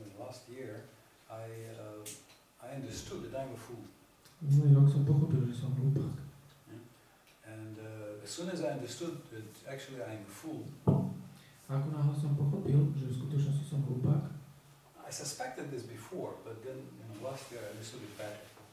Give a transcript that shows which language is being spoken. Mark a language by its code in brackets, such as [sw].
[en] Last year I understood that I'm a fool. [sk] Minulý rok som pochopil, že som hlupák. [en] And as soon as I understood that actually I'm a fool. [sk] Ako náhle som pochopil, že v skutočnosti som hlupák. [en] I suspected this before, but then last year I understood it better.